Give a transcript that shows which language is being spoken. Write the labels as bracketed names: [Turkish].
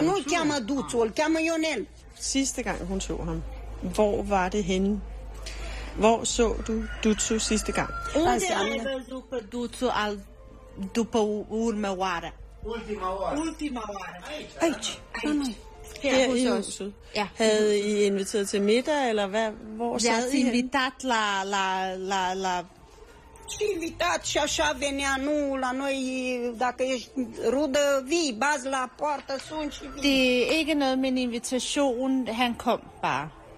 [Romanian] Nu-l cheamă Duțu, îl cheamă Ionel. [Danish] Sidste gang hun så ham. Hvor var det henne? Hvor så du Duțu sidste gang? [Romanian] Unde ai văzut pe Duțu al după urmă oară? Ultima oară. Ultima oară. Aici. [Danish] Her i huset. Ja. Havde I inviteret til middag, eller hvad? Hvor sad I henne? Vi har inviteret la [Romanian] invitat și așa venea, nu la noi, dacă ești rudă, vii, bazi la poartă, sun și vii. [Danish] Det er ikke noget med en invitation, han kom bare.